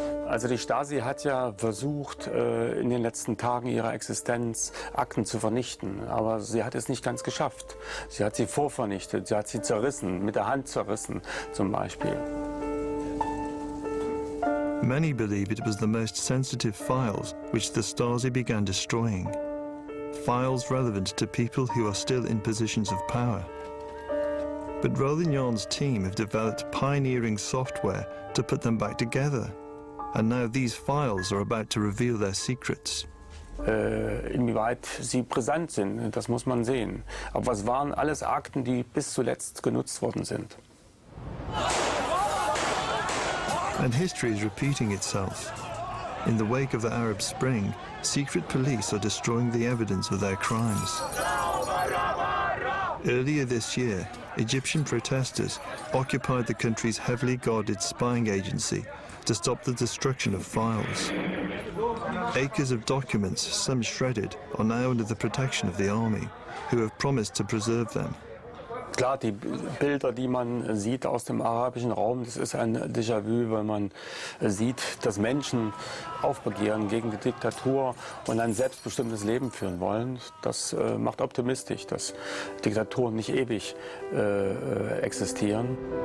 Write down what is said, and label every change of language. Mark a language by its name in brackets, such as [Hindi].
[German] Also die Stasi hat ja versucht, in den letzten Tagen ihrer Existenz Akten zu vernichten. Aber sie hat es nicht ganz geschafft. Sie hat sie vorvernichtet, sie hat sie zerrissen, mit der Hand zerrissen zum Beispiel. [English] Many believe it was the most sensitive files which the Stasi began destroying. Files relevant to people who are still in positions of power. But Rolignon's team have developed pioneering software to put them back together. And now these files are about to reveal their secrets. [German] Inwieweit sie brisant sind, das muss man sehen. Aber was waren alles Akten, die bis zuletzt genutzt worden sind? [English] And history is repeating itself. In the wake of the Arab Spring, secret police are destroying the evidence of their crimes. Earlier this year, Egyptian protesters occupied the country's heavily guarded spying agency to stop the destruction of files. Acres of documents, some shredded, are now under the protection of the army, who have promised to preserve them. [German] Klar, die Bilder, die man sieht aus dem arabischen Raum, das ist ein Déjà-vu, weil man sieht, dass Menschen aufbegehren gegen die Diktatur und ein selbstbestimmtes Leben führen wollen. Das macht optimistisch, dass Diktaturen nicht ewig existieren.